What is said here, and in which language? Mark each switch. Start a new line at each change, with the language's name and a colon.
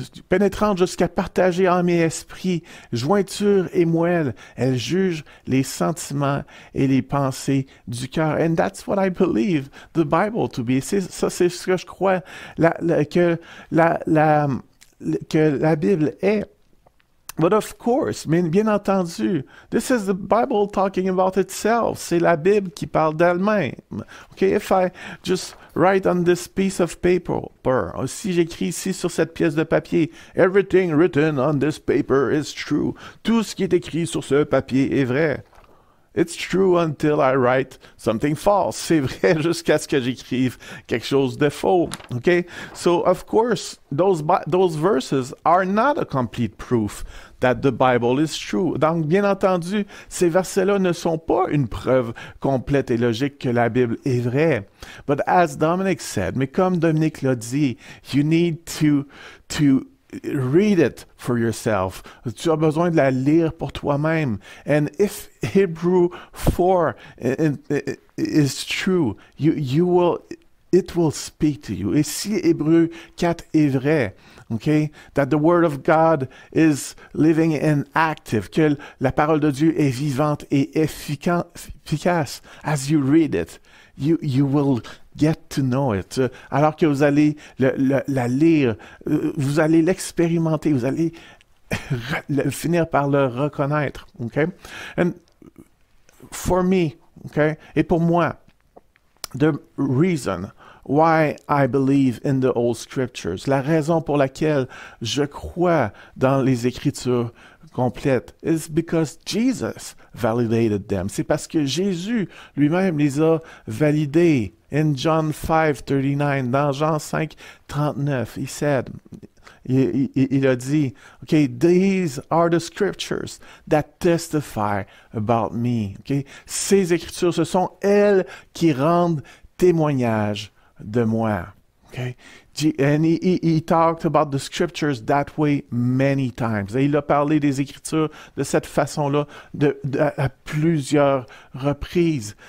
French: Pénétrant jusqu'à partager âme et esprit, jointure et moelle, elle juge les sentiments et les pensées du cœur.
English: And that's what I believe the Bible to be.
French: C'est ce que je crois que la Bible est.
English: But of course,
French: mais bien entendu,
English: this is the Bible talking about itself.
French: C'est la Bible qui parle d'elle-même.
English: Okay, if I just write on this piece of paper,
French: si j'écris ici sur cette pièce de papier,
English: everything written on this paper is true.
French: Tout ce qui est écrit sur ce papier est vrai.
English: It's true until I write something false.
French: C'est vrai jusqu'à ce que j'écrive quelque chose de faux.
English: Okay? So, of course, those verses are not a complete proof that the Bible is true.
French: Donc, bien entendu, ces versets-là ne sont pas une preuve complète et logique que la Bible est vraie.
English: But as Dominic said,
French: mais comme Dominic l'a dit,
English: you need to read it for yourself.
French: Tu as besoin de la lire pour toi-même.
English: And if Hebrew 4 is true, it will speak to you.
French: Et si Hébreu 4 est vrai,
English: okay, that the word of God is living and active,
French: que la parole de Dieu est vivante et efficace,
English: as you read it, you will get to know it.
French: Alors que vous allez la lire, vous allez l'expérimenter, vous allez finir par le reconnaître.
English: Okay? And for me, okay,
French: et pour moi,
English: the reason why I believe in the old scriptures,
French: la raison pour laquelle je crois dans les Écritures complètes,
English: is because Jesus validated them.
French: C'est parce que Jésus lui-même les a validés.
English: In John 5:39,
French: dans Jean 5:39, il a dit,
English: okay, these are the scriptures that testify about me.
French: Okay, ces écritures, ce sont elles qui rendent témoignage de moi.
English: Okay, and he talked about the scriptures that way many times.
French: Et il a parlé des écritures de cette façon-là à plusieurs reprises.